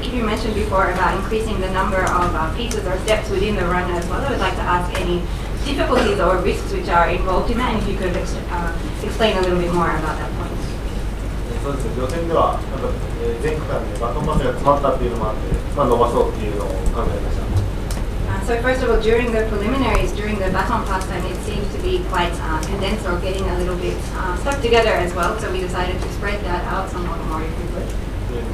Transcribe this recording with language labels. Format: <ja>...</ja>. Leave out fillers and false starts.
<en>Kiryu mentioned before about increasing the number of pieces or steps within the run as well. I would like to ask any difficulties or risks which are involved in that, if you could explain a little bit more about that point.</en> <ja>そうですね、予選では前区間でバトンパスが詰まったっていうのもあって、伸ばそうっていうのを考えました。</ja> <en>So first of all, during the preliminaries, during the baton pass time, it seemed to be quite condensed or getting a little bit stuck together as well, so we decided to spread that out somewhat more if we could.</en>